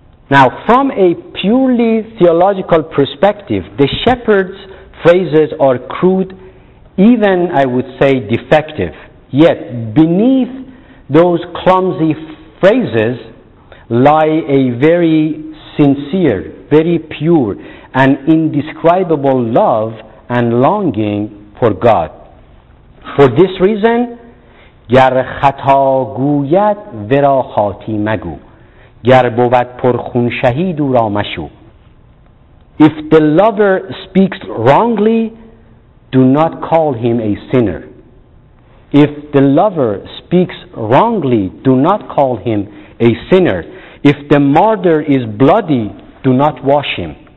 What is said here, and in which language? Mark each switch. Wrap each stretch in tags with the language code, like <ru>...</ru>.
<en>Now, from a purely theological perspective, the shepherd's phrases are crude, even I would say defective. Yet, beneath those clumsy phrases lie a very sincere, very pure, and indescribable love and longing for God. For this reason,</en> <fa>گر خطا گوید ورا خاطی مگو گر بود پر خون شهید او را مشو.</fa> <en>If the lover speaks wrongly, do not call him a sinner. If the lover speaks wrongly, do not call him a sinner. If the martyr is bloody, do not wash him.</en>